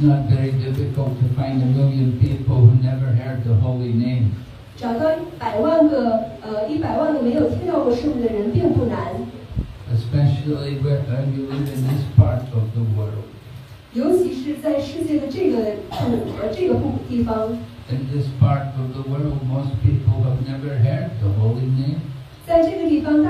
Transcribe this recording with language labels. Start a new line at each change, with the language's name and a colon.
English: not very difficult to find 1 million people who never heard the holy name.
Chinese: 找到一百万个没有听到过圣名的人并不难。
English: Especially where you live in this part of the world.
Chinese: 尤其是在世界的这个地方。
English: In this part of the world, most people have never heard the holy name.